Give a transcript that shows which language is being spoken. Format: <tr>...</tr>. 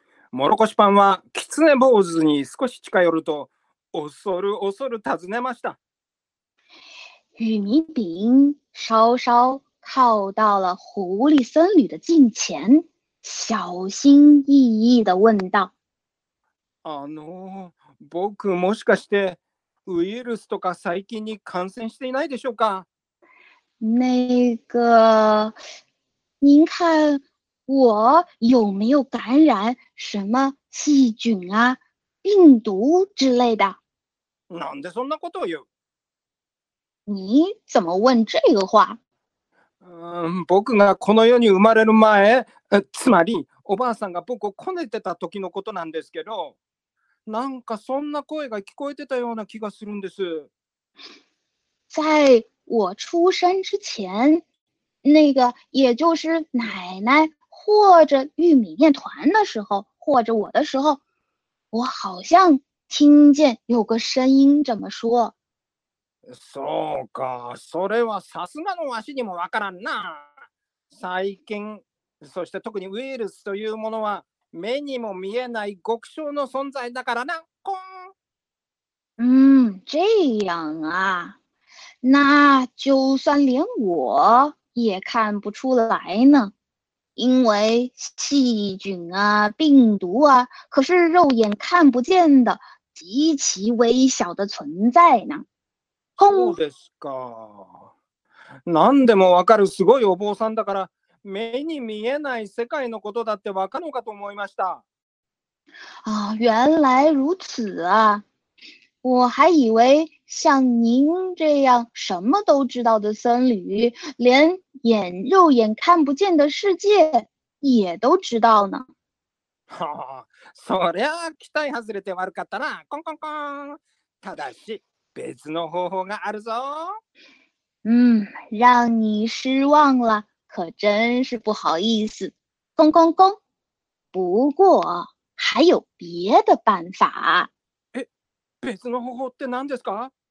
<ja>もろこしパンはキツネ坊主に少し近寄ると恐る恐る尋ねました。</ja> <zh>玉米饼稍稍靠到了狐狸僧侣的近前，小心翼翼地问道：“</zh> <ja>僕もしかしてウイルスとか細菌に感染していないでしょうか？”</ja> <zh>那个，您看我有没有感染什么细菌啊、病毒之类的？</zh> <ja>なんでそんなことを言う？</ja> <zh>你怎么问这个话？</zh> <ja>僕がこの世に生まれる前、つまりおばあさんが僕をこねてた時のことなんですけど、なんかそんな声が聞こえてたような気がするんです。</ja> <zh>在我出生之前、那个也就是奶奶或者玉米面团的时候，或者我的时候，我好像听见有个声音这么说。</zh> <ja>そうか、それはさすがのわしにもわからんな。細菌、そして特にウイルスというものは目にも見えない極小の存在だからな。こん。</ja> <zh>这样啊。那就算连我也看不出来呢。因为细菌啊、病毒啊，可是肉眼看不见的极其微小的存在呢。</zh> <ja>そうですか。何でもわかるすごいお坊さんだから、目に見えない世界のことだってわかるのかと思いました。</ja> <zh>あ、原来如此啊。我还以为像您这样什么都知道的僧侣，连眼肉眼看不见的世界也都知道呢。</zh> <ja>そりゃ期待外れて悪かったな。コンコンコン。ただし。別の方法があるぞ。</ja> <zh>让你失望了，可真是不好意思。公公公，不过还有别的办法。</zh> <ja>別の方法って何ですか？</ja>